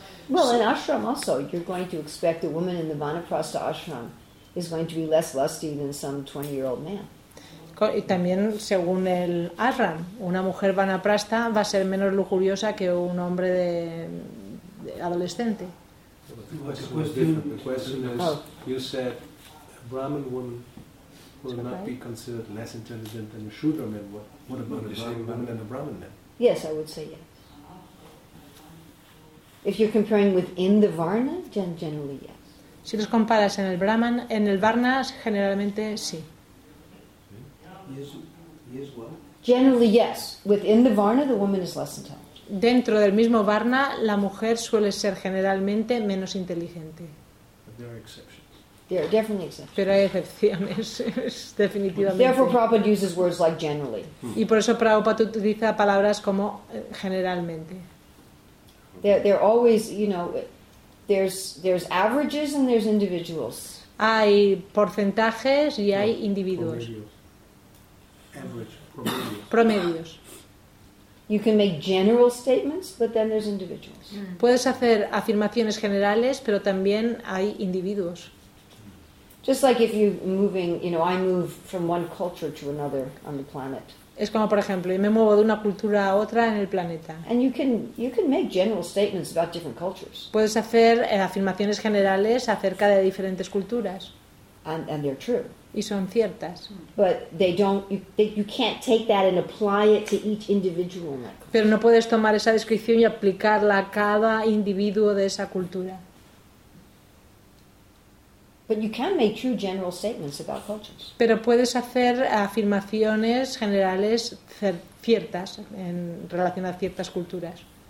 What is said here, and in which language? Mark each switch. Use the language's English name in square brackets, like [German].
[English] Well, in ashram also, you're going to expect a woman in the vanaprastha ashram is going to be less lusty than some 20-year-old man. [Spanish] Y también, según el ashram, una mujer vanaprastha va a ser menos lujuriosa que un hombre de adolescente. [English] The question is, you said a Brahmin woman will not be considered less intelligent than a Shudra man. What about a Brahmin woman and a Brahmin man? Yes, I would say yes. If you're comparing within the varna, generally yes. [Spanish] Si los comparas en el brahman, en el varna, generalmente sí. [English] Yes, what? Generally yes. Within the varna, the woman is less intelligent. [Spanish] Dentro del mismo varna, la mujer suele ser generalmente menos inteligente. [English] But there are exceptions. There are definitely exceptions. [Spanish] Pero hay excepciones, definitivamente. [English] Therefore, Prabhupada uses words like generally. [Spanish] Y por eso Prabhupada utiliza palabras como generalmente. [English] They're always, you know, there's averages and there's individuals. [Spanish] Hay porcentajes y hay individuos. Promedios. [English] You can make general statements, but then there's individuals. [Spanish] Puedes hacer afirmaciones generales, pero también hay individuos. [English] Just like if you're moving, you know, I move from one culture to another on the planet. [Spanish] Es como, por ejemplo, me muevo de una cultura a otra en el planeta. [English] And you can make general statements about different cultures. [Spanish] Puedes hacer afirmaciones generales acerca de diferentes culturas. [English] And they're true. [Spanish] Y son ciertas. [English] But you can't take that and apply it to each individual in that culture. [Spanish] Pero no puedes tomar esa descripción y aplicarla a cada individuo de esa cultura. [English] But you can make true general statements about cultures. [Spanish] Pero puedes hacer afirmaciones generales ciertas en relación a ciertas culturas.